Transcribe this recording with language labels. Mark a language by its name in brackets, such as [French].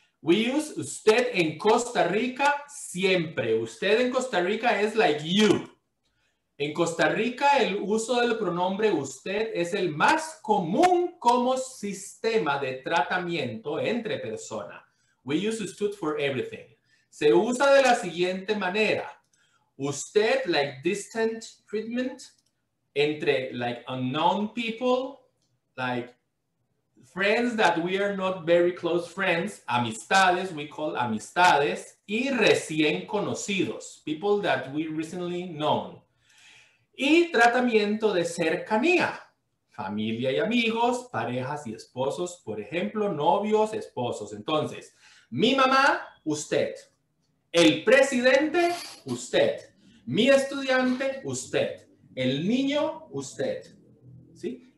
[English] We use usted en Costa Rica siempre. [Spanish] Usted en Costa Rica es [English] like you. [Spanish] En Costa Rica, el uso del pronombre usted es el más común como sistema de tratamiento entre persona. [English] We use usted for everything. [Spanish] Se usa de la siguiente manera. [English] Usted, like distant treatment, entre like unknown people, like friends that we are not very close friends, amistades, we call amistades, [Spanish] y recién conocidos, [English] people that we recently known. [Spanish] Y tratamiento de cercanía, familia y amigos, parejas y esposos, por ejemplo, novios, esposos. Entonces, mi mamá, usted. El presidente, usted. Mi estudiante, usted. El niño, usted. ¿Sí?